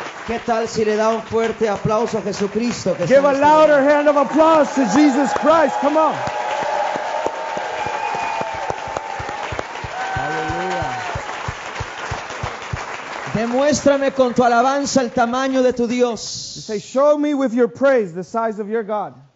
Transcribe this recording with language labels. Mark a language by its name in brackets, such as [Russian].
[Spanish] ¿Qué tal si le da un fuerte aplauso a Jesucristo? [English] Give a louder hand of applause to Jesus Christ. Come on. [Spanish] Aleluya. Demuéstrame con tu alabanza el tamaño de tu Dios. [English] You say, show me with your praise the size of your God.